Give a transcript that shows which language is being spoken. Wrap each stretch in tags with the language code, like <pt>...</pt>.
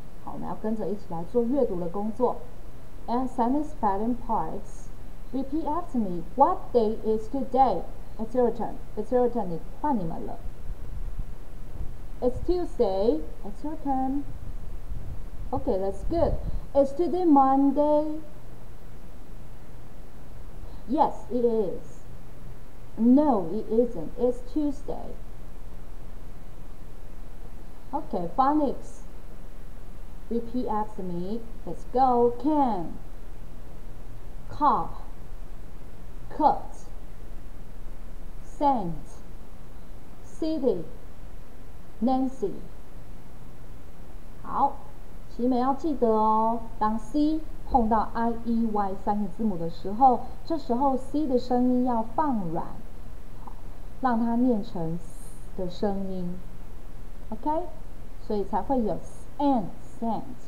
<zh>好，我们要跟着一起来做阅读的工作。</zh> <en>And sentence spelling parts. Repeat after me. What day is today? It's your turn. It's your turn.</en> <zh>换你们了。</zh> <en>It's Tuesday. It's your turn. Okay, that's good. Is today Monday? Yes, it is. No, it isn't. It's Tuesday. Okay, phonics. Repeat after me. Let's go. Can, cop, cut, sent, city, Nancy.</en> <zh>好，其实要记得哦，当 C 碰到 I E Y 三个字母的时候，这时候 C 的声音要放软，让它念成 S 的声音。 OK， 所以才会有 S and sent。</zh>